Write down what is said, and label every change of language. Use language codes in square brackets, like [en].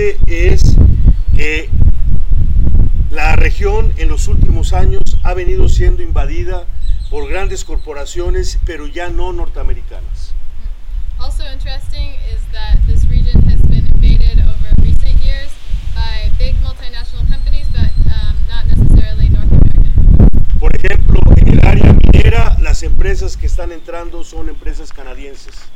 [es] Es que la región en los últimos años ha venido siendo invadida por grandes corporaciones, pero ya no norteamericanas. [en] Also interesting is that this region has been invaded over recent years by big multinational companies, but not necessarily North American. [es] Por ejemplo, en el área minera, las empresas que están entrando son empresas canadienses.